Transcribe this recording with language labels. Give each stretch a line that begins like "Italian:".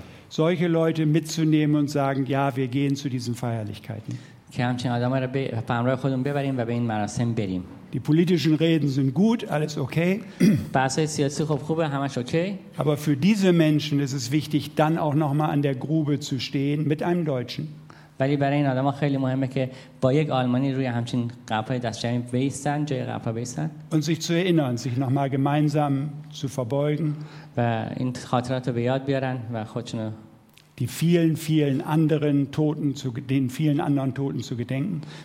German: Solche Leute mitzunehmen und sagen, ja, wir gehen zu diesen Feierlichkeiten.
Persian: که همچین آدم ها رو به همراه خودمون ببریم و به این مراسم بریم.
German: Die politischen Reden sind gut, alles okay.
Persian: بحثای سیاسی خوب خوبه، همش اوکی.
German: Aber für diese Menschen ist es wichtig, dann auch noch mal an der Grube zu stehen mit einem Deutschen.
Persian: ولی برای این آدم ها خیلی مهمه که با یک آلمانی روی همچین قبرهای دستشویی بیستن، جای قبرها بیستن.
German: Und sich zu erinnern, sich noch mal gemeinsam zu verbeugen.
Persian: و این خاطرات رو به یاد بیارن و خودشون رو
German: die vielen vielen anderen Toten zu den vielen anderen Toten zu gedenken.